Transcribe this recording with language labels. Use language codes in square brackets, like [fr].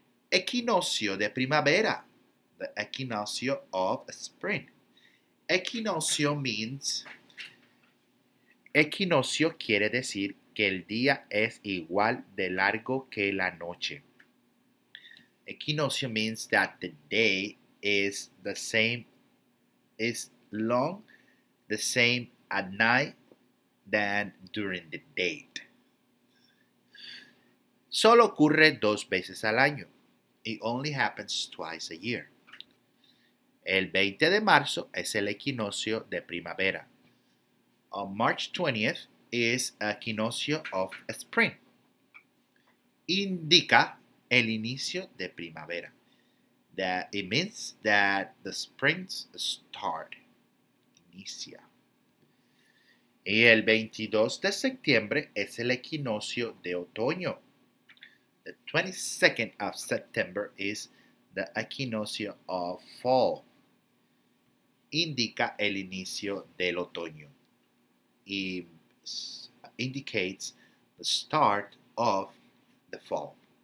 [es] Equinoccio de primavera. [en] The equinoccio of spring. Equinoccio means... [es] Equinoccio quiere decir que el día es igual de largo que la noche. [en] Equinoccio means that the day is the same, is long, the same at night than during the day. [es] Solo ocurre dos veces al año. [en] It only happens twice a year. [es] El 20 de marzo es el equinoccio de primavera. [en] On March 20th is equinoccio of spring. [es] Indica el inicio de primavera. [en] That it means that the spring's start. [es] Inicia. Y el 22 de septiembre es el equinoccio de otoño. [en] The 22nd of September is the equinoccio of fall. [es] Indica el inicio del otoño. [en] It indicates the start of the fall.